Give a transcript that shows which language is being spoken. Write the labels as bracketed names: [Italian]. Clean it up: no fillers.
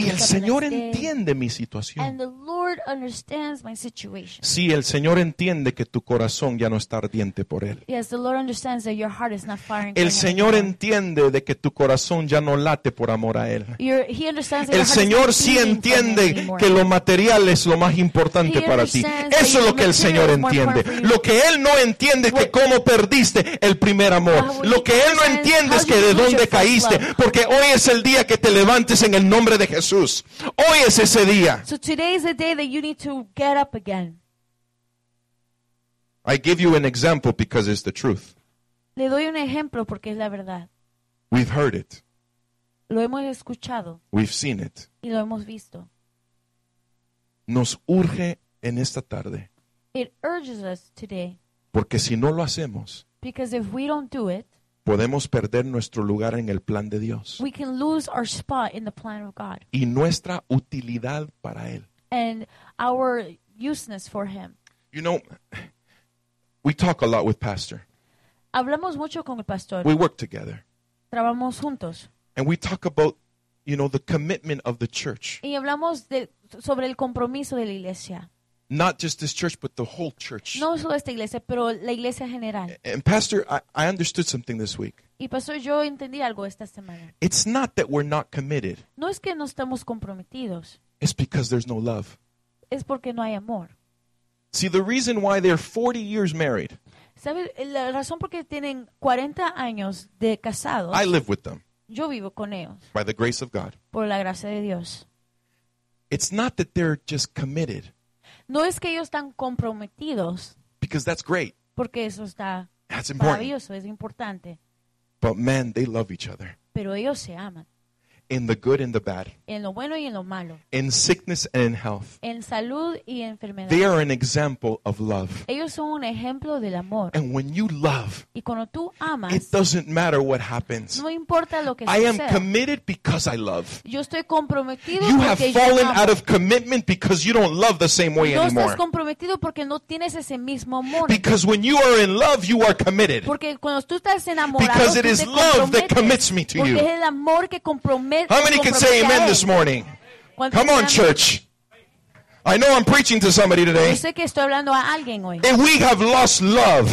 [English] wake up. [Spanish] Y el Señor entiende mi situación. [English] And the Lord understands my situation. [Spanish] Sí, el Señor entiende que tu corazón ya no está ardiente por él. [English] Yes, the Lord understands that your heart is not firing. [Spanish] El Señor entiende de que tu corazón ya no late por amor a él. [English] He understands that [Spanish] el Señor sí entiende que lo material es lo más importante para ti. Eso es lo que el Señor entiende. Lo que él no entiende es que cómo perdiste el primer amor. Lo que él no entiende es que de dónde caíste, porque hoy es el día que te levantes en el nombre de Jesús. Hoy es ese día. [English] So today is the day that you need to get up again. I give you an example because it's the truth. [Spanish] Le doy un ejemplo porque es la verdad. [English] We've heard it. [Spanish] Lo hemos escuchado. [English] We've seen it. [Spanish] Y lo hemos visto. Nos urge en esta tarde. [English] It urges us today. [Spanish] Porque si no lo hacemos, [English] because if we don't do it, [Spanish] podemos perder nuestro lugar en el plan de Dios. [English] We can lose our spot in the plan of God. [Spanish] Y nuestra utilidad para Él. [English] And our useness for Him. You know, we talk a lot with Pastor. [Spanish] Hablamos mucho con el Pastor. [English] We work together. [Spanish] Trabajamos juntos. [English] And we talk about, you know, the commitment of the church. [Spanish] Y hablamos sobre el compromiso de la iglesia. [English] Not just this church, but the whole church. [Spanish] No solo esta iglesia, pero la iglesia general. [English] And Pastor, I understood something this week. [Spanish] Y Pastor, yo entendí algo esta semana. [English] It's not that we're not committed. [Spanish] No es que no estamos comprometidos. [English] It's because there's no love. [Spanish] Es porque no hay amor. [English] See, the reason why they're 40 years married. [Spanish] ¿Sabe la razón por qué tienen 40 años de casados? [English] I live with them. [Spanish] Yo vivo con ellos. [English] By the grace of God. [Spanish] Por la gracia de Dios. [English] It's not that they're just committed. [Spanish] No es que ellos están comprometidos. [English] Because that's great. [Spanish] Porque eso está [English] that's important. [Spanish] Maravilloso, es importante. [English] But man, they love each other. [Spanish] Pero ellos se aman. [English] In the good and the bad. [Spanish] En lo bueno y en lo malo. [English] In sickness and in health. [Spanish] En salud y enfermedad. [English] They are an example of love. [Spanish] Ellos son un ejemplo del amor. [English] And when you love, [Spanish] y cuando tú amas, [English] it doesn't matter what happens. [Spanish] No importa lo que [English] I am committed because I love. [Spanish] Yo estoy comprometido [English] you [Spanish] porque [English] have fallen [Spanish] yo amo. [English] Out of commitment because you don't love the same way [Spanish] no [English] anymore. [Spanish] Estás comprometido porque no tienes ese mismo amor. [English] Because when you are in love, you are committed. [Spanish] Porque cuando tú estás enamorado, [English] because it is love that commits me to [Spanish] porque [English] you. [Spanish] Porque es el amor que compromete. [English] How many can say amen this morning? Come on, church. I know I'm preaching to somebody today. And we have lost love.